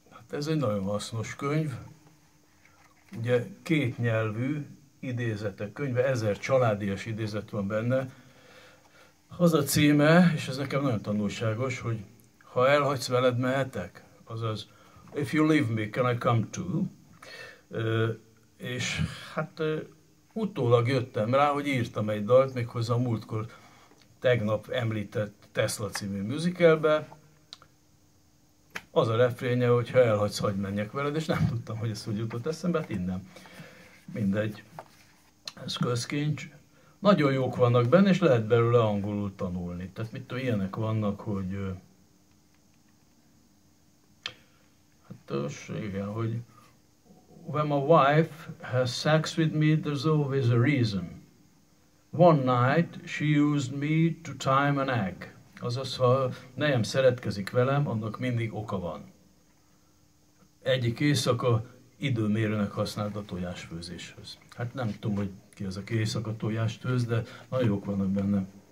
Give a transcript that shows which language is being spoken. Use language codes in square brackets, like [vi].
[hu] Ez egy nagyon hasznos könyv. Ugye kétnyelvű idézetek könyve, 1000 családias idézet van benne. Az a címe, és ez nekem nagyon tanulságos, hogy ha elhagysz, veled mehetek. [en] Azaz, if you leave me, can I come too? [hu] És hát utólag jöttem rá, hogy írtam egy dalt, méghozzá a múltkor tegnap említett Tesla című musicalbe. Az a refrénje, hogy ha elhagysz, hagyd menjek veled, és nem tudtam, hogy ez hogy jutott eszembe, hát innen. Mindegy, ez közkincs. Nagyon jók vannak benne, és lehet belőle angolul tanulni. Tehát mit tudom, ilyenek vannak, hogy... Hát igen, hogy... [en] When my wife has sex with me, there's always a reason. One night she used me to time an egg. [hu] Azaz, ha nejem szeretkezik velem, annak mindig oka van. Egyik éjszaka időmérőnek használt a tojásfőzéshez. Hát nem tudom, hogy ki az, aki éjszaka tojást főz, de nagyon jók vannak benne.